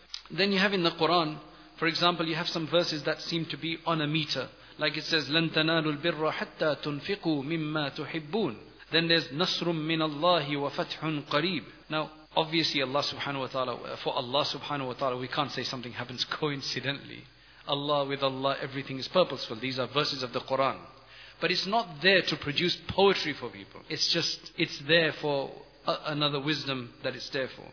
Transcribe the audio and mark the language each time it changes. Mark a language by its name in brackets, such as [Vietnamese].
[English] Then you have in the Quran, for example, you have some verses that seem to be on a meter. Like it says, [Arabic] لَن تَنَالُوا الْبِرَّ حَتَّى تُنْفِقُوا مِمَّا تُحِبُّونَ. [English] Then there's [Arabic] نَصْرٌ مِّنَ اللَّهِ وَفَتْحٌ قَرِيبٌ. [English] Now, obviously Allah subhanahu wa ta'ala, for Allah subhanahu wa ta'ala, we can't say something happens coincidentally. Allah, with Allah, everything is purposeful. These are verses of the Quran. But it's not there to produce poetry for people. It's just, it's there for another wisdom that it's there for.